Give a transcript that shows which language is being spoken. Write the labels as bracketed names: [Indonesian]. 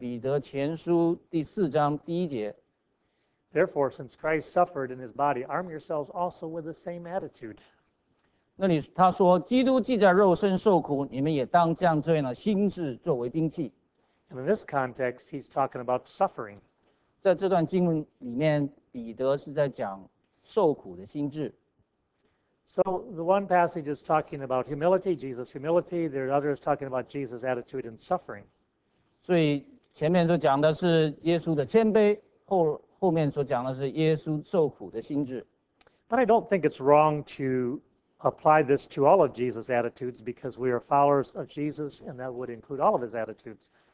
[Chinese] 在是彼得教导的，就是在彼得前书第4章第1节。 [English] Therefore, since Christ suffered in his body, arm yourselves also with the same attitude. [Chinese] 那里他说，基督既在肉身受苦，你们也当将这样的心智作为兵器。 [English] And in this context, he's talking about suffering. [Chinese] 在这段经文里面，彼得是在讲受苦的心智。 [English] So the one passage is talking about humility, Jesus' humility. The other is talking about Jesus' attitude in suffering. [Chinese] 所以前面所讲的是耶稣的谦卑，后面所讲的是耶稣受苦的心智。 [English] But I don't think it's wrong to apply this to all of Jesus' attitudes because we are followers of Jesus, and that would include all of his attitudes.